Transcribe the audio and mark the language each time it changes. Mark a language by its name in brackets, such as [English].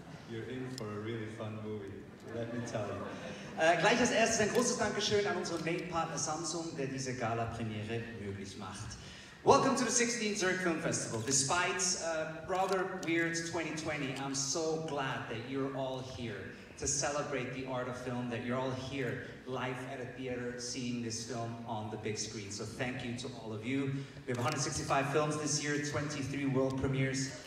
[English] You're in for a really fun movie, let me tell you. [German] Gleich als erstes ein großes Dankeschön an unseren Main-Partner Samsung, der diese Gala-Premiere möglich macht. [English] Welcome to the 16th Zurich Film Festival. Despite a rather weird 2020, I'm so glad that you're all here to celebrate the art of film, that you're all here live at a theater seeing this film on the big screen. So thank you to all of you. We have 165 films this year, 23 world premieres.